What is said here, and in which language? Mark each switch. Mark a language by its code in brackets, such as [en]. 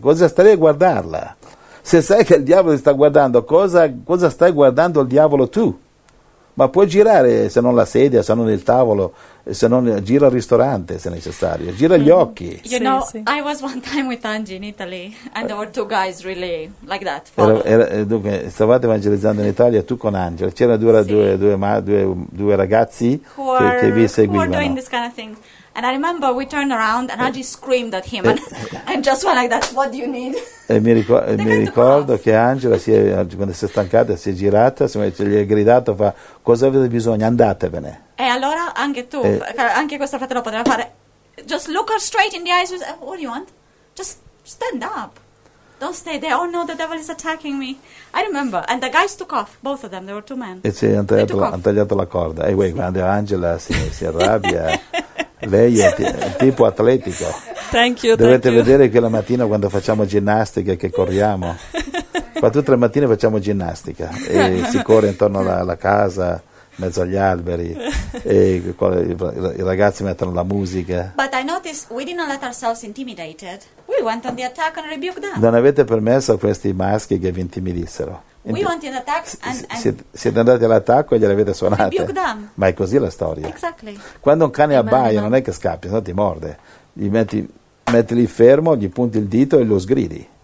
[it] Cosa stai a guardarla? Se sai che il diavolo ti sta guardando, cosa stai guardando il diavolo tu? Ma puoi girare, se non la sedia, se non il tavolo, se non gira al ristorante, se necessario. Gira gli occhi. [en] You know, sì. I was one time with Angie in Italy, and there were two guys really like that. [it] Dunque, stavate evangelizzando in Italia, tu con Angie. C'erano due ragazzi che vi seguivano. [en] Who were doing this kind of thing. And I remember we turned around, and Angie screamed at him, and just went like that, what do you need? [it] E mi ricordo che Angela, quando si è stancata, si è girata, gli ha gridato, fa, cosa avete bisogno? Andatevene. E allora anche tu, anche questo fratello poteva fare, [en] just look her straight in the eyes, what do you want? Just stand up. Don't stay there, oh no, the devil is attacking me. I remember, and the guys took off, both of them, there were two men. [it] E si è tagliato la corda. E sì. Quando Angela si arrabbia, lei è un tipo atletico. [en] Thank you, [it] dovete [en] thank [it] vedere [en] you. [it] Che la mattina quando facciamo ginnastica che corriamo qua tutte le mattine facciamo ginnastica e si corre intorno alla casa in mezzo agli alberi e i ragazzi mettono la musica. [en] But notice we did not let ourselves intimidated. We went on the attack and rebuked them. [it] Non avete permesso a questi maschi che vi intimidissero. [en] We went in attack and [it] siete andati all'attacco e gliele avete suonate. [en] Rebuked them. [it] Ma è così la storia. [en] Exactly. [it] Quando un cane abbaia, non è che scappi, se no ti morde. Gli metti lì fermo, gli punti il dito e lo sgridi.